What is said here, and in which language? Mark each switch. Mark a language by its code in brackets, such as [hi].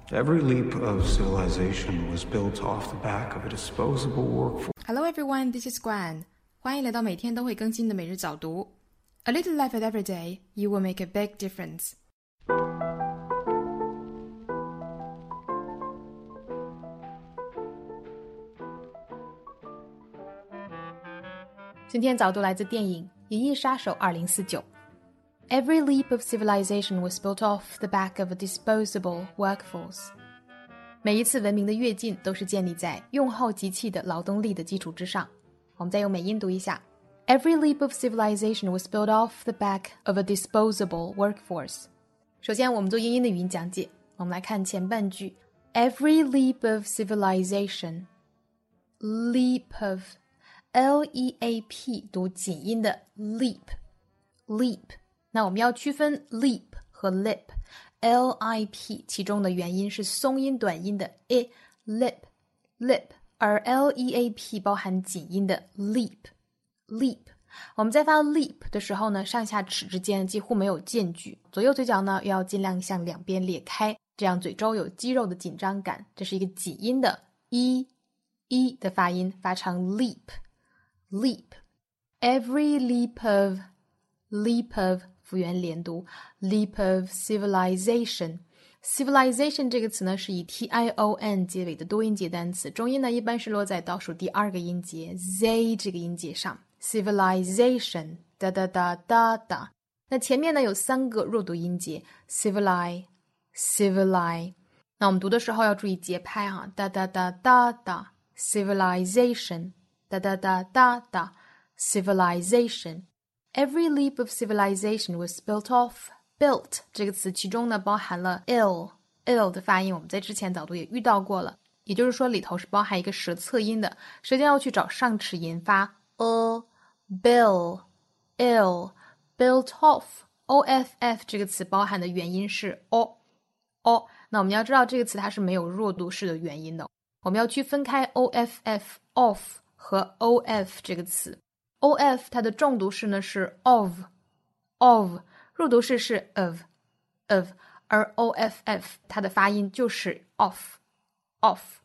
[en] Every leap of civilization was built off the back of a disposable workforce. Hello everyone, this is Gwen. [zh] 欢迎来到每天都会更新的每日早读。 [en] A little effort every day, you will make a big difference. Today's 早读来自电影《银翼杀手2049》。 Every leap of civilization was built off the back of a disposable workforce. [zh] 每一次文明的跃进都是建立在用耗机器的劳动力的基础之上。我们再用美音读一下。 [en] Every leap of civilization was built off the back of a disposable workforce. [zh] 首先我们做英音的语音讲解。我们来看前半句。 [en] Every leap of civilization, [zh] leap of, L-E-A-P, 读紧音的 leap, leap. 那我们要区分 leap 和 lip, L-I-P, 其中的元音是松音短音的 I, lip, lip, 而 L-E-A-P 包含紧音的 leap. Leap, 我们在发 leap 的时候呢，上下齿之间几乎没有间距，左右嘴角呢要尽量向两边裂开，这样嘴周有肌肉的紧张感。这是一个紧音的 e e 的发音，发成 leap, leap. [en] Every leap of [zh] 复原连读 [en] leap of civilization. [zh] Civilization 这个词呢是以 t i o n 结尾的多音节单词，中音呢一般是落在倒数第二个音节 z 这个音节上。 Civilization, da da da da da. 那前面呢有三个弱读音节 civilize, civilize. 那我们读的时候要注意节拍哈 da da da da da, civilization, da da da da da, civilization. [en] Every leap of civilization was built off, built. [zh] 这个词其中呢包含了 ill, ill 的发音，我们在之前早读也遇到过了。也就是说里头是包含一个舌侧音的，舌尖要去找上齿龈发 a. [en] Bill, ill, built off, off [zh] 这个词包含的元音是 o, o. 那我们要知道这个词它是没有弱读式的元音的。我们要去分开 off, off 和 of 这个词。 of 它的重读式呢是 of, of, 弱读式是 of, of, 而 off 它的发音就是 off, off.